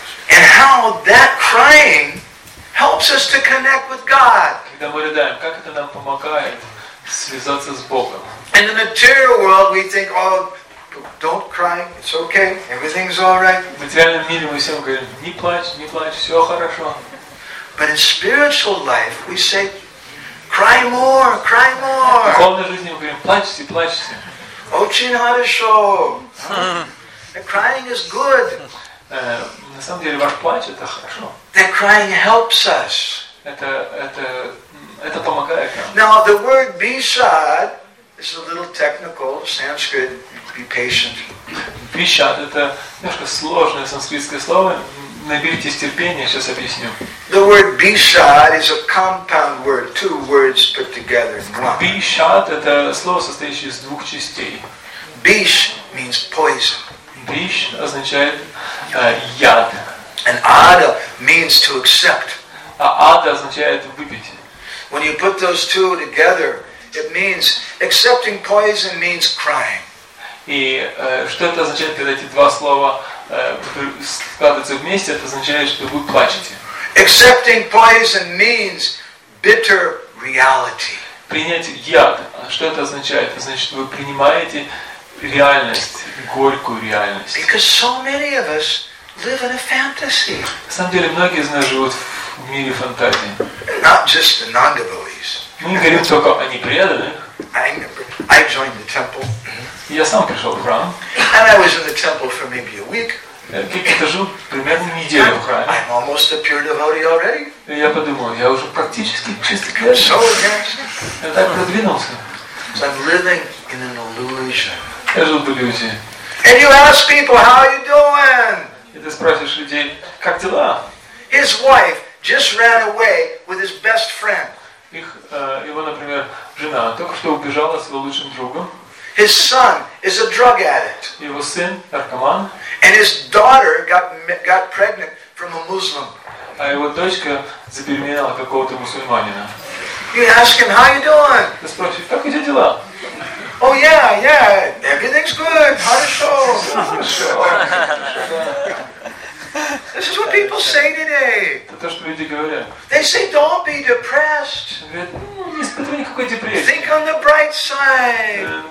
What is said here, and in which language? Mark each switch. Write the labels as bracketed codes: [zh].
[en] And how that crying helps us to connect with God. [ru] Когда мы рыдаем, как это нам помогает связаться с Богом? [en] In the material world, we think, "Oh, don't cry. It's okay. Everything's all right." [ru] В материальном мире мы всем говорим: не плачь, не плачь, все хорошо. [en] But in spiritual life, we say, "Cry more, cry more." [ru] В духовной жизни мы говорим: плачьте, плачьте. Очень хорошо. [en] The crying is good. [ru] На самом деле ваш плач это хорошо. [en] The crying helps us. [ru] Это помогает нам. [en] Now the word bishad is a little technical Sanskrit. Be patient. [ru] Bishad это немножко сложное санскритское слово. Наберитесь терпения, сейчас объясню. [en] The word bishad is a compound word, two words put together in one. [ru] Bishad это слово, состоящее из двух частей. [en] Bish means poison. [ru] Биш означает яд. [en] And ада means to accept. [ru] А ада означает выпить. [en] When you put those two together, it means accepting poison means crying. [ru] И что это означает, когда эти два слова складываются вместе, это означает, что вы плачете. [en] Accepting poison means bitter reality. [ru] Принять яд. А что это означает? Это значит, вы принимаете реальность, горькую реальность. [en] Because so many of us live in a fantasy. [ru] На самом деле, многие из нас живут в мире фантазии. [en] Not just the non-devotees. [ru] Мы не говорим только о непреданных. [en] I joined the temple. [ru] Я сам пришел в храм. [en] And I was in the temple for maybe a week. [ru] Я жил примерно неделю в храме. [en] I'm almost a pure devotee already. [ru] И я подумал, я уже практически чистый преданный. Я так продвинулся. [en] So I'm living in an illusion. [ru] Я жил в иллюзии. [en] And you ask people, how are you doing? [ru] И ты спрашиваешь людей, как дела? [en] His wife just ran away with his best friend. [ru] Его, например, жена только что убежала с его лучшим другом. [en] His son is a drug addict. [ru] Его сын наркоман. [en] And his daughter got pregnant from a Muslim. [ru] А его дочка забеременела какого-то мусульманина. [en] You ask him, how you doing? [ru] Ты спрашиваешь, как у тебя дела? [en] Oh yeah, yeah, everything's good. [ru] Хорошо. [en] This is what people people say today? They say, don't be depressed. Think on the bright side.